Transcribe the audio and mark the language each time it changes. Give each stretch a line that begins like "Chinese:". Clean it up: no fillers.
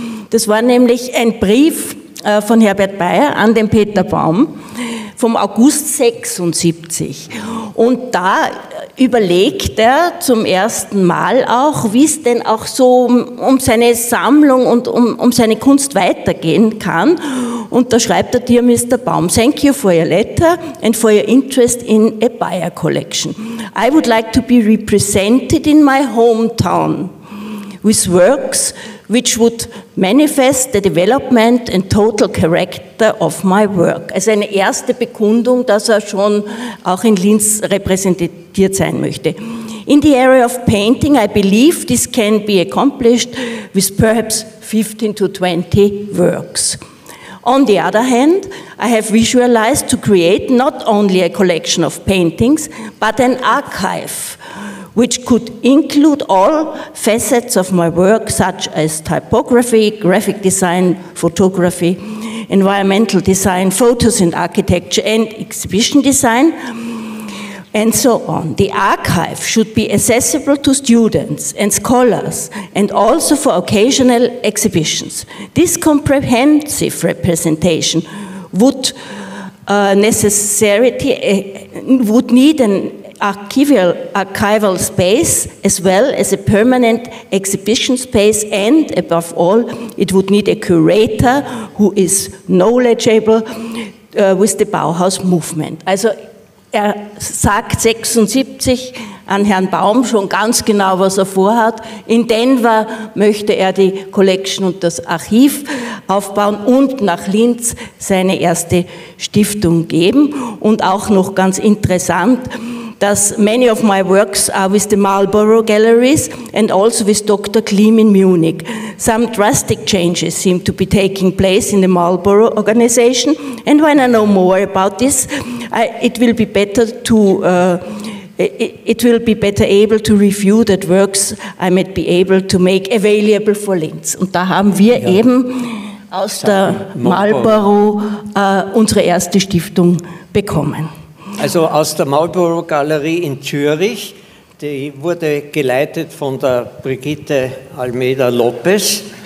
German: Das war nämlich ein Brief von Herbert Bayer an den Peter Baum vom August 76. Und da überlegt er zum ersten Mal auch, wie es denn auch so um seine Sammlung und um seine Kunst weitergehen kann. Und da schreibt er dir, Mr.
English: Baum, thank you for your letter and for your interest in a Bayer collection. I would like to be represented in my hometown with works which would manifest the development and total character of my work.
German: Also eine erste Bekundung, dass er schon auch in Linz repräsentiert sein möchte.
English: In the area of painting, I believe this can be accomplished with perhaps 15 to 20 works. On the other hand, I have visualized to create not only a collection of paintings, but an archive, which could include all facets of my work, such as typography, graphic design, photography, environmental design, photos and architecture, and exhibition design, and so on. The archive should be accessible to students and scholars and also for occasional exhibitions. This comprehensive representation would need an archival space as well as a permanent exhibition space, and above all, it would need a curator who is knowledgeable with the Bauhaus movement.
German: Also, er sagt 76 an Herrn Baum schon ganz genau, was er vorhat. In Denver möchte er die Collection und das Archiv aufbauen und nach Linz seine erste Stiftung geben. Und auch noch ganz interessant, dass
English: many of my works are with the Marlborough Galleries and also with Dr. Klim in Munich. Some drastic changes seem to be taking place in the Marlborough organization. And when I know more about this, it will be better able to review that works I might be able to make available for Linz.
German: Und da haben wir eben aus der Marlborough unsere erste Stiftung bekommen. Also aus der Marlborough Galerie in Zürich, die wurde geleitet von der Brigitte Almeida Lopez.